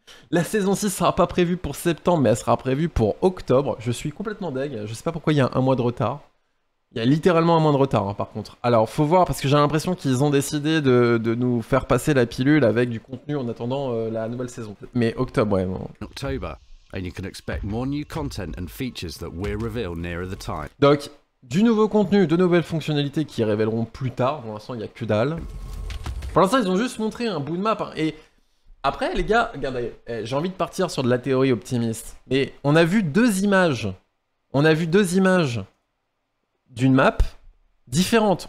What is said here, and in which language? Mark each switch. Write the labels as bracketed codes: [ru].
[fr] La saison 6 sera pas prévue pour septembre, mais elle sera prévue pour octobre. Je suis complètement deg. Je sais pas pourquoi il y a un mois de retard. Il y a littéralement un mois de retard, hein, par contre. Alors, faut voir, parce que j'ai l'impression qu'ils ont décidé de nous faire passer la pilule avec du contenu en attendant la nouvelle saison. Mais octobre, ouais. Bon. [en] October, and you can expect more new content and features that we'll reveal nearer the time. [fr] Donc, Du nouveau contenu, de nouvelles fonctionnalités qui révéleront plus tard. Pour l'instant, il n'y a que dalle. Pour l'instant, ils ont juste montré un bout de map. Hein. Et après, les gars, regardez, j'ai envie de partir sur de la théorie optimiste. Mais on a vu deux images. On a vu deux images d'une map différente.